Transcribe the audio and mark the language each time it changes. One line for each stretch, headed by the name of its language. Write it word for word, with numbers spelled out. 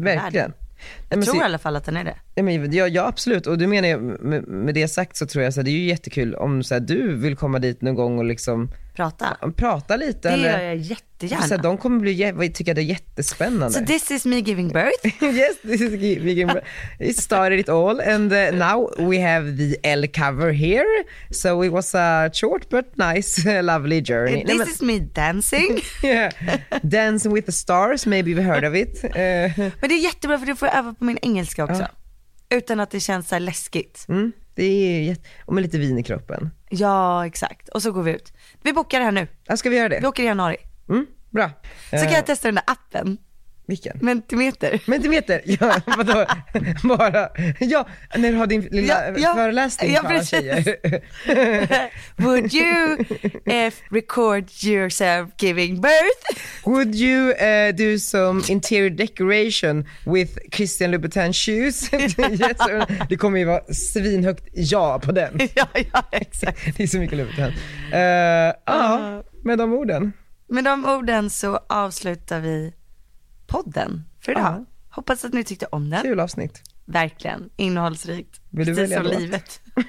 Swedish: verkligen. Jag men tror så, i alla fall att den är det. Ja, men, ja, ja absolut. Och du menar jag, med, med det sagt så tror jag att det är ju jättekul om så här, du vill komma dit någon gång och liksom prata, prata lite. Det eller, gör jag jättegärna. Så här, de kommer bli, tycker det är jättespännande.
English: So this is me giving birth. Yes, this is me giving birth. It started it all and uh, now we have the L cover here. So it was a short but nice, lovely journey. This is me dancing. Yeah. Dancing with the stars, maybe we heard of it. Uh,
Swedish: Men det är jättebra för du får öva på min engelska också. Ja. Utan att det känns så här läskigt. Mm. Det är jätt... Och med lite vin i kroppen. Ja, exakt. Och så går vi ut. Vi bokar det här nu. Ja, ska vi göra det? Vi åker i januari. Mm, bra. Så kan jag testa den där appen. Vilken? Mentimeter. Mentimeter, ja. Vadå? Bara. Ja, när du har din lilla ja, ja. föreläsning. Ja, precis.
English: Would you uh, record yourself giving birth? Would you uh, do some interior decoration with Christian Louboutin shoes?
Swedish: Yes, det kommer ju vara svinhögt ja på den. Ja, ja, exakt. Det är så mycket Louboutin. Ja, uh, uh. uh, med de orden. Med de orden så avslutar vi podden för idag. Aha. Hoppas att ni tyckte om den. Kul avsnitt. Verkligen, innehållsrikt. Vill du precis välja som livet.